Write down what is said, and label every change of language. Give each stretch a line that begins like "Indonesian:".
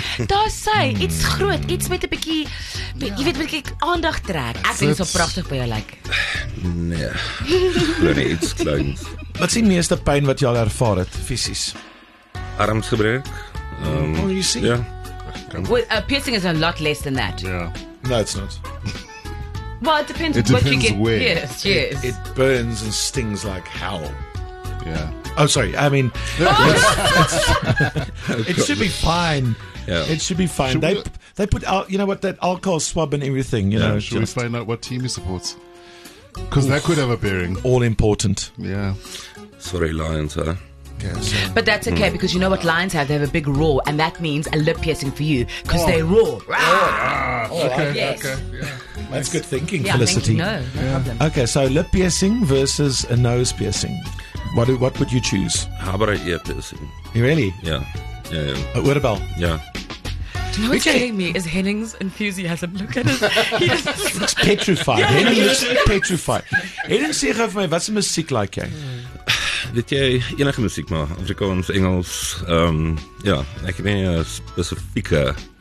Afrikaans: Daar sy, iets groot, iets met 'n bietjie, jy weet, met 'n bietjie aandag trek. Ek vind dit so pragtig by jou lyk. Nee. Gewoon iets kleins. Wat is die meeste pyn wat jy al ervaar het, fysies? Armsgebrek.
English: You see? Yeah. Well, piercing is a lot less than that. Yeah. No, it's not. Well, it depends on what you get where. Pierced, yes. It burns and stings like hell. Yeah. Oh, sorry. I mean, it should be fine. Yeah. It should be fine. Should they put out, you know what, that alcohol swab and everything, you know. Should we find out what team he supports? Because that could have a bearing. All important. Yeah. Sorry, Lions, huh? But that's okay because you know what lions have? They have a big roar, and that means a lip piercing for you because they roar. Okay. Yeah. That's good thinking, yeah, Felicity. No problem. Okay, so lip piercing versus a nose piercing. What would you choose? How about an ear piercing? Really? Yeah. What about? Yeah. Do you know what's killing me is Henning's enthusiasm. Look at him. He's petrified. Yeah, Henning looks petrified. Henning, say for me, what's the music like? Yeah.
Afrikaans: Weet jy, enige muziek maar, Afrikaans, Engels, ja, ek weet nie, specifieke.